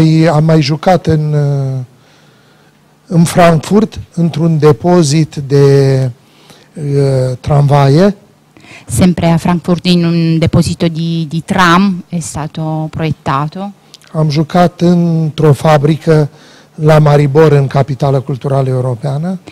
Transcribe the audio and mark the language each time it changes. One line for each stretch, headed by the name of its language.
Romanian: Am mai jucat în Frankfurt, într-un depozit de tramvaie.
Italian: Sempre a Frankfurt in un deposito di tram è stato proiettato.
Romanian: Am jucat într-o fabrică la Maribor, în capitala culturală europeană.